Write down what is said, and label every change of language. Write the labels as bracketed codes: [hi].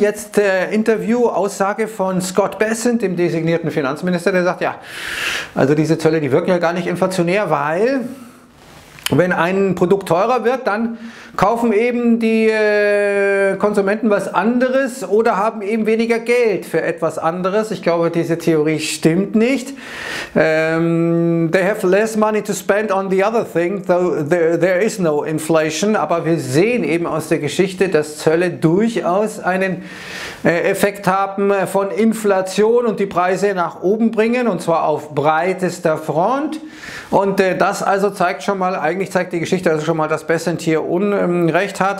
[de] Jetzt Interview-Aussage von Scott Bessent, dem designierten Finanzminister, der sagt, ja, also diese Zölle, die wirken ja gar nicht inflationär, weil wenn ein Produkt teurer wird, dann kaufen eben die Konsumenten was anderes oder haben eben weniger Geld für etwas anderes. Ich glaube, diese Theorie stimmt nicht. [en] They have less money to spend on the other thing, though there is no inflation. [de] Aber wir sehen eben aus der Geschichte, dass Zölle durchaus einen Effekt haben von Inflation und die Preise nach oben bringen, und zwar auf breitester Front. Und das also zeigt schon mal, eigentlich zeigt die Geschichte also schon mal, dass Bessent hier Unrecht hat.